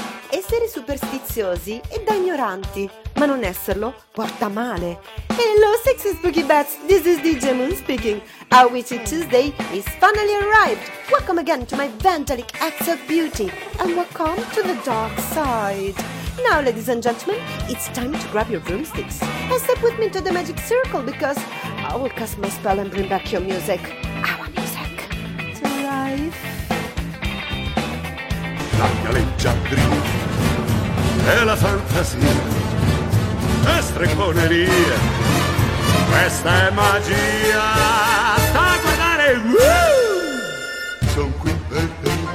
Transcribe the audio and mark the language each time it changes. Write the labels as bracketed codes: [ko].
[it] Essere superstiziosi è da ignoranti, ma non esserlo porta male. [en] Hello, sexy spooky bats, this is DJ Moon speaking. Our witchy Tuesday is finally arrived. Welcome again to my VaNdaLiC acts of beauty, and welcome to the dark side. Now, ladies and gentlemen, it's time to grab your broomsticks and step with me to the magic circle, because I will cast my spell and bring back your music. Our music to life. [it] La leggiadri è la fantasia, è stregoneria, questa è magia, sta a guardare, sono qui per te.